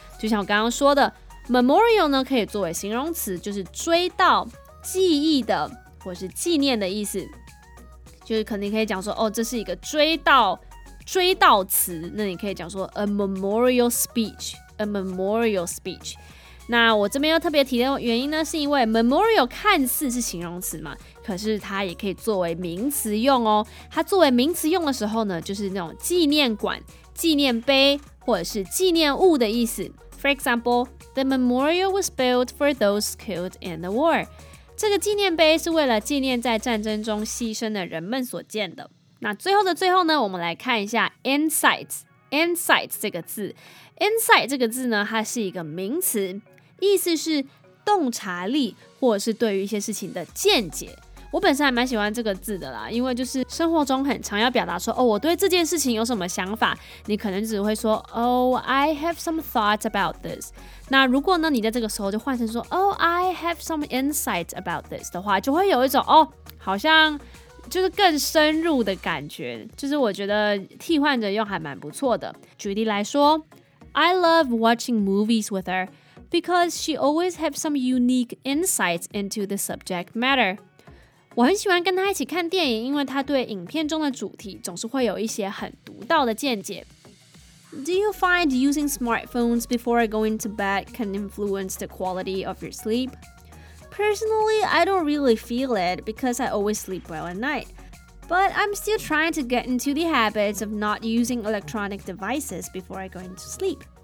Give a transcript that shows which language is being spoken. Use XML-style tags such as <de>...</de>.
<zh>就像我刚刚说的， memorial 呢可以作为形容词，就是追悼、记忆的或是纪念的意思，就是可能你可以讲说哦，这是一个追悼词，那你可以讲说</zh> <en>a memorial speech, a memorial speech。</en> <zh>那我这边要特别提的原因呢，是因为 memorial 看似是形容词嘛，可是它也可以作为名词用哦。它作为名词用的时候呢，就是那种纪念馆、纪念碑或者是纪念物的意思。</zh> <en>For example, the memorial was built for those killed in the war.</en> <zh>这个纪念碑是为了纪念在战争中牺牲的人们所建的。那最后的最后呢，我们来看一下 insights。insight 这个字 insight 这个字呢它是一个名词，意思是洞察力或者是对于一些事情的见解。我本身还蛮喜欢这个字的啦，因为就是生活中很常要表达说哦，我对这件事情有什么想法，你可能只会说</zh> <en>Oh, I have some thoughts about this。</en> <zh>那如果呢，你在这个时候就换成说</zh> <en>Oh, I have some insight about this</en> <zh>的话，就会有一种哦，好像就是更深入的感觉，就是我觉得替换着用还蛮不错的。举例来说</zh> <en>，I love watching movies with her because she always has some unique insights into the subject matter。</en> <zh>我很喜欢跟她一起看电影，因为她对影片中的主题总是会有一些很独到的见解。</zh> <en>Do you find using smartphones before going to bed can influence the quality of your sleep? Personally, I don't really feel it because I always sleep well at night. But I'm still trying to get into the habits of not using electronic devices before I go into sleep.</en>